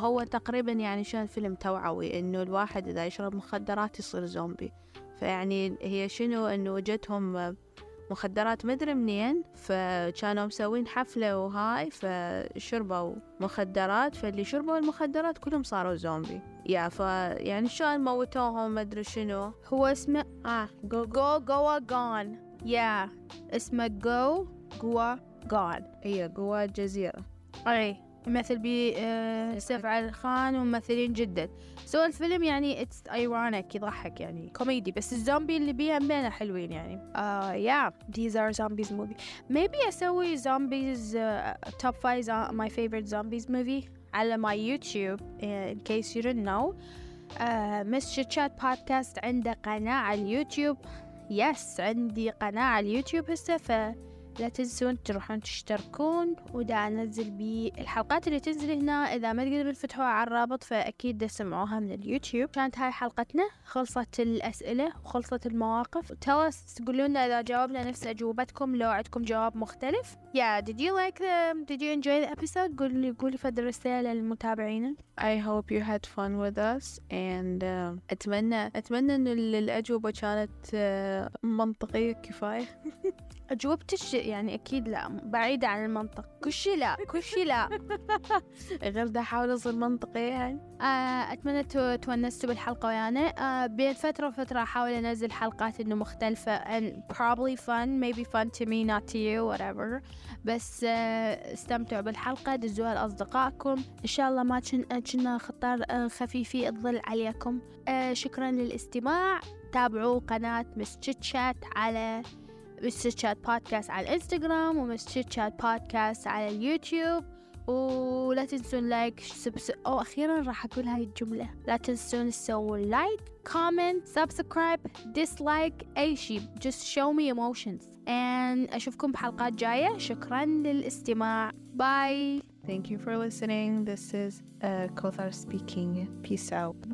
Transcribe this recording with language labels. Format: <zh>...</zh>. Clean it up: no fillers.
<ar>هو تقريبا يعني شان فيلم توعوي إنه الواحد إذا يشرب مخدرات يصير زومبي، فيعني هي شنو إنه جتهم مخدرات مدري منين، فكانوا مسوين حفلة وهاي فشربوا مخدرات، فاللي شربوا المخدرات كلهم صاروا زومبي. يا فا يعني شان موتوهم مدري شنو. هو اسمه Go Gone. Yeah, اسمه Go Gua Gan. إيه جوا جزيرة. أي مثل بي سيف علي خان وممثلين جدد. So الفيلم يعني</ar> <en>it's ironic</en> <ar>يضحك يعني كوميدي، بس الزومبي اللي بيها مبينة حلوين يعني.</ar> <en>Yeah, these are zombies movie. Maybe أسوي zombies top five my favorite zombies movie على my YouTube in case you didn't know. Miss Chit Chat Podcast</en> <ar>عنده قناة على اليوتيوب. يس عندي قناة على اليوتيوب هسه، لا تنسون تروحون تشتركون، ودا انزل بي الحلقات اللي تنزل هنا. اذا ما تقدروا تفتحوها على الرابط فاكيد دا سمعوها من اليوتيوب. كانت هاي حلقتنا، خلصت الاسئلة وخلصت المواقف. تلس تقولون اذا جاوبنا نفس اجوبتكم، لو عندكم جواب مختلف.</ar> <en>Yeah, did you like them? Did you enjoy the episode?</en> <ar>قولي فد الرسالة للمتابعين.</ar> <en>I hope you had fun with us and</en> <ar>اتمنى ان الاجوبة كانت منطقية كفاية. أجوبتش يعني أكيد لا، بعيدة عن المنطق. كل شي لا. غير ده حاول أصير منطقي يعني. أتمنى تونستوا بالحلقة ويانا. بين فترة وفترة حاول أنزل حلقات إنه مختلفة</ar> <en>and probably fun, maybe fun to me not to you whatever.</en> <ar>بس استمتعوا بالحلقة، دزوها لأصدقائكم. إن شاء الله ما كنا خطر خفيفي أضل عليكم. شكرا للاستماع. تابعوا قناة مس تشيتشات على مستر تشات بودكاست على الانستغرام، ومستر تشات بودكاست على اليوتيوب. ولا تنسون لايك او اخيرا راح اقول هاي الجملة، لا تنسون تسوون لايك كومنت سبسكرايب ديسلايك اي شيء،</ar> <en>just show me emotions.</en> <ar>and اشوفكم بحلقات جاية. شكرا للاستماع، باي.</ar> <en>thank you for listening. this is Kothar speaking. peace out.</en>